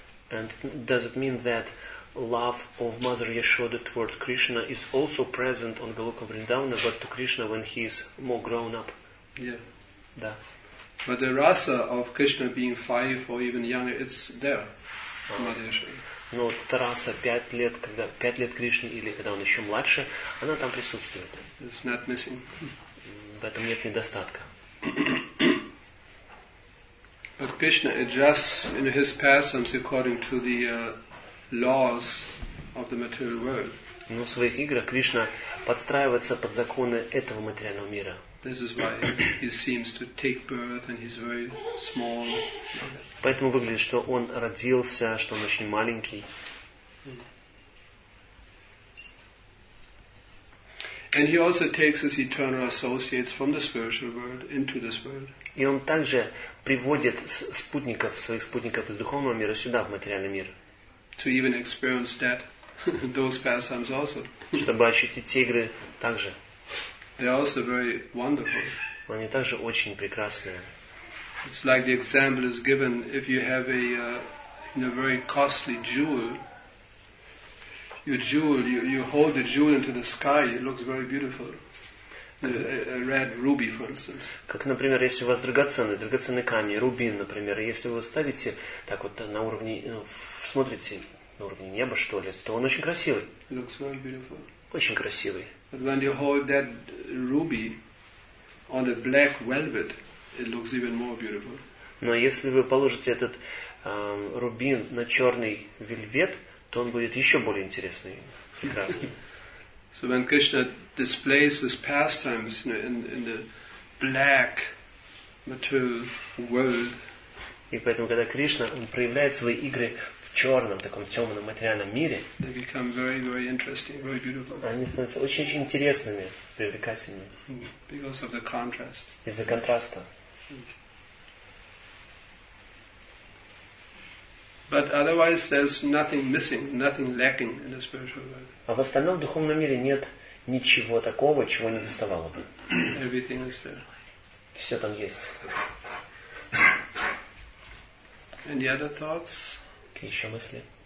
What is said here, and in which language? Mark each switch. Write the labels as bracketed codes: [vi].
[en] And does it mean that love of Mother Yashoda toward Krishna is also present on Goloka Vrindavana, but to Krishna when he is more grown up? Yeah. [ru] Да. [en] But the rasa of Krishna being 5 or even younger, it's there. Mother Yashoda. [ru] Но эта раса 5 лет, когда 5 лет Кришне или когда он еще младше, она там присутствует. [en] It's not missing. [ru] В этом нет недостатка. [en] But Krishna adjusts in his pastimes according to the laws of the material world. [ru] Но в своих играх Кришна подстраивается под законы этого материального мира. [en] This is why he seems to take birth and he's very small. [ru] Поэтому выглядит, что он родился, что он очень маленький. [en] And he also takes his eternal associates from the spiritual world into this world. [ru] И он также приводит спутников, своих спутников из духовного мира сюда, в материальный мир. [en] To even experience that, those pastimes also. [ru] Чтобы ощутить те игры также. [en] They are also very wonderful. [ru] Они также очень прекрасные. [en] It's like the example is given, if you have a very costly jewel, you hold the jewel into the sky, it looks very beautiful. A red ruby, for instance. [ru] Как, например, если у вас драгоценный камень, рубин, например, если вы ставите так вот на уровне, смотрите на уровне неба, что ли, то он очень красивый. [en] It looks very beautiful. [ru] Очень красивый. [en] But when you hold that ruby on a black velvet, it looks even more beautiful. [ru] Но если вы положите этот рубин на черный вельвет, то он будет еще более интересный, прекрасный. [en] So when Krishna displays his pastimes in the black material world. [ru] И поэтому, когда Кришна проявляет свои игры в черном, таком темном материальном мире, [en] they become very, very interesting, very beautiful. [ru] Они становятся очень-очень интересными, привлекательными. [en] Because of the contrast. [ru] Из-за контраста. [en] But otherwise there's nothing missing, nothing lacking in the spiritual world. [ru] А в остальном духовном мире нет ничего такого, чего не доставало бы. [en] Everything is there. [ru] Все там есть. [en] Any other thoughts? [ru] Какие еще мысли?